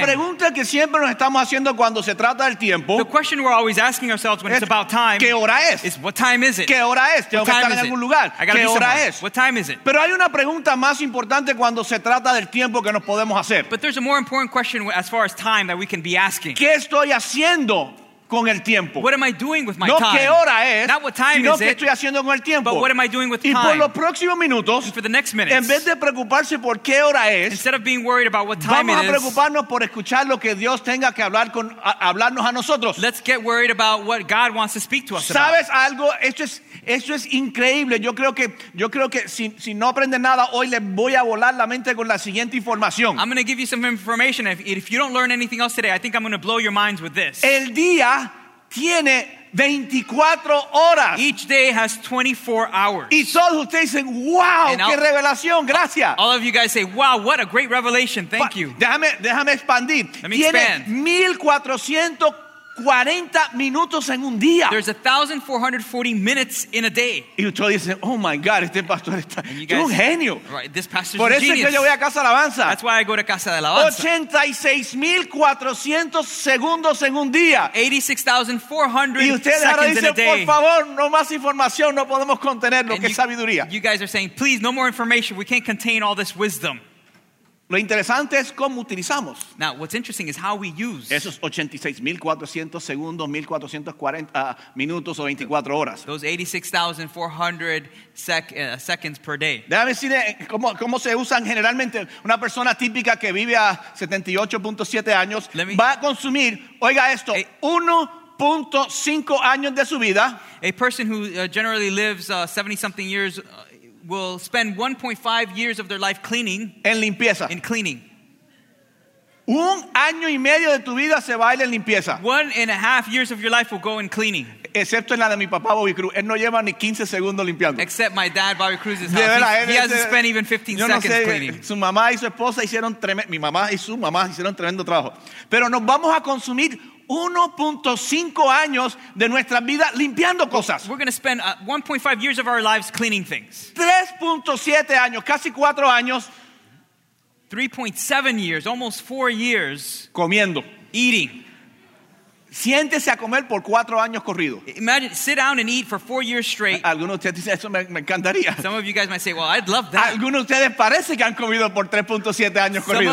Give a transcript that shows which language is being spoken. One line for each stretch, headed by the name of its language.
Spanish: La pregunta que siempre nos estamos haciendo cuando se trata del tiempo,
English: the question we're always asking ourselves when
Spanish: es,
English: it's about time,
Spanish: ¿qué hora es?
English: Is what time is it?
Spanish: ¿Qué hora es? Tengo
English: what
Spanish: que estar en algún lugar. ¿Qué hora es?
English: What time is it?
Spanish: Pero hay una pregunta más importante cuando se trata del tiempo que nos podemos hacer.
English: But there's a more important question as far as time that we can be asking.
Spanish: ¿Qué estoy haciendo con el tiempo?
English: What am I doing with my
Spanish: no
English: time?
Spanish: Qué hora es,
English: not what time
Spanish: sino
English: is it,
Spanish: qué estoy haciendo con el tiempo.
English: But what am I doing with
Spanish: y
English: time?
Spanish: Por los próximos minutos,
English: and for the next minutes,
Spanish: en vez de preocuparse por qué hora es,
English: instead of being worried about what time
Spanish: vamos
English: it
Spanish: a preocuparnos por escuchar lo que Dios tenga que hablar con, a, hablarnos a nosotros.
English: Let's get worried about what God wants to speak to us.
Spanish: ¿Sabes
English: about?
Spanish: Algo? Esto es increíble. Yo creo que si no aprenden nada hoy, les voy a volar la mente con la siguiente información.
English: I'm going to give you some information. If you don't learn anything else today, I think I'm going to blow your minds with this.
Spanish: El día tiene 24 horas.
English: Each day has 24 hours.
Spanish: Y todos ustedes dicen, wow, qué revelación, gracias.
English: All of you guys say, wow, what a great revelation, thank you.
Spanish: Déjame expandir.
English: Let me expand.
Spanish: Tiene 1,440 minutos en un día.
English: There's 1,440 minutes in a day.
Spanish: Y ustedes dicen,
English: oh my God,
Spanish: este pastor está es un genio.
English: Right, this pastor's
Spanish: Por
English: a
Spanish: eso
English: genius.
Spanish: Es que yo voy a Casa Alabanza.
English: That's why I go to Casa de Alabanza.
Spanish: 86,400 segundos en un día.
English: 86,400
Spanish: dicen,
English: in a day.
Spanish: Y ustedes ahora dicen, por favor, no más información, no podemos contener lo que es sabiduría.
English: You guys are saying, please, no more information, we can't contain all this wisdom.
Spanish: Lo interesante es cómo utilizamos.
English: Now, what's interesting is how we use.
Spanish: Esos 86,400 segundos, 1,440 minutos o 24 horas.
English: Those 86,400 seconds per day.
Spanish: Déjame decirle cómo se usan generalmente. Una persona típica que vive a 78.7 años va a consumir, oiga esto, 1.5 años de su vida.
English: A person who generally lives 70-something years will spend 1.5 years of their life cleaning.
Spanish: En limpieza.
English: In cleaning.
Spanish: Un año y medio de tu vida se va a ir en limpieza.
English: 1.5 years of your life will go in cleaning.
Spanish: Excepto en la de mi papá Bobby Cruz. Él no lleva ni 15 segundos limpiando.
English: Except my dad Bobby Cruz's house. He hasn't spent even 15
Spanish: no
English: seconds
Spanish: sé,
English: cleaning.
Spanish: Su mamá y su esposa hicieron mi mamá y su mamá hicieron tremendo trabajo. Pero nos vamos a consumir 1.5 años de nuestra vida limpiando cosas.
English: We're going to spend 1.5 years of our lives cleaning things.
Spanish: 3.7 años, casi 4 años.
English: 3.7 years, almost 4 years.
Spanish: Comiendo.
English: Eating.
Spanish: Siéntese a comer por 4 años corrido.
English: Imagine, sit down and eat for 4 years straight.
Spanish: Algunos de ustedes dicen, eso me encantaría.
English: Some of you guys might say, well, I'd love that.
Spanish: Algunos de ustedes parece que han comido por 3.7 años corrido.